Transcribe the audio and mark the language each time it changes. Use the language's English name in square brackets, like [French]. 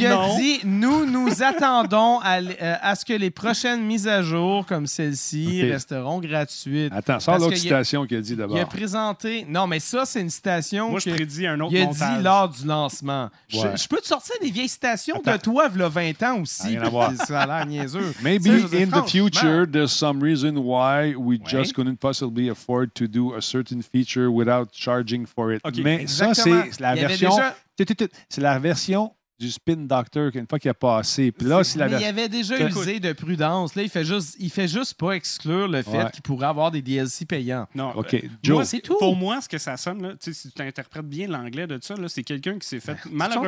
[French] Il a dit « Nous attendons à ce que les prochaines mises à jour comme celle-ci resteront gratuites. » Attends, sors l'autre citation qu'il a dit d'abord. Il a présenté... Non, mais ça, c'est une citation... Moi, je prédis un autre montage. Il a dit lors du lancement. Ouais. Je peux te sortir des vieilles citations de toi, v'là 20 ans aussi. Rien à voir. Ça a l'air niaiseux. [English] « Maybe in the future, there's some reason why we just couldn't possibly afford to do a certain feature without charging for it. » [French] Mais ça, c'est la version... C'est la version... du spin doctor qu'une fois qu'il a passé. Puis là, il avait déjà usé de prudence. Là, il fait juste pas exclure le fait qu'il pourrait avoir des DLC payants. Non. OK. C'est tout. Pour moi, ce que ça sonne, là, si tu interprètes bien l'anglais de ça, là, c'est quelqu'un qui s'est fait malheureusement...